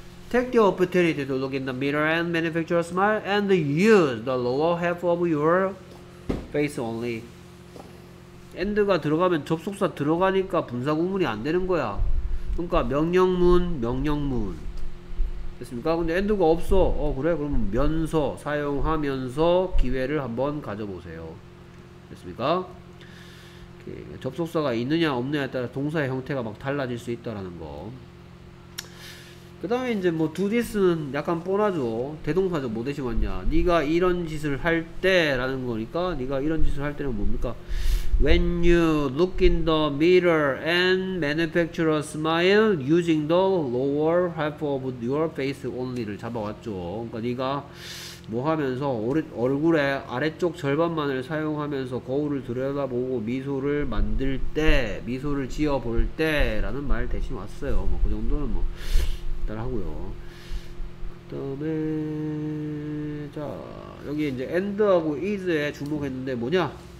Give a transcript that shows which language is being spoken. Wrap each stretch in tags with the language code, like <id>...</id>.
<en>Take the opportunity to look in the mirror and manufacture a smile and use the lower half of your face only.</en> <ko>and가 들어가면 접속사 들어가니까 분사구문이 안 되는 거야. 그러니까 명령문 됐습니까? 근데 end가 없어. 그래? 그러면 면서 사용하면서 기회를 한번 가져보세요. 됐습니까? 이렇게 접속사가 있느냐 없느냐에 따라 동사의 형태가 막 달라질 수 있다라는 거. 그 다음에 이제 뭐 do this는 약간 뻔하죠. 대동사죠. 뭐 대신 왔냐. 네가 이런 짓을 할 때라는 거니까 네가 이런 짓을 할 때는 뭡니까?</ko> <en>When you look in the mirror and manufacture a smile using the lower half of your face only를</en> <ko>잡아왔죠. 그러니까 네가 뭐 하면서 얼굴의 아래쪽 절반만을 사용하면서 거울을 들여다보고 미소를 만들 때 미소를 지어볼 때라는 말 대신 왔어요. 뭐 그 정도는 뭐 따라하고요. 그다음에 자 여기 이제 end하고 is에 주목했는데 뭐냐?</ko>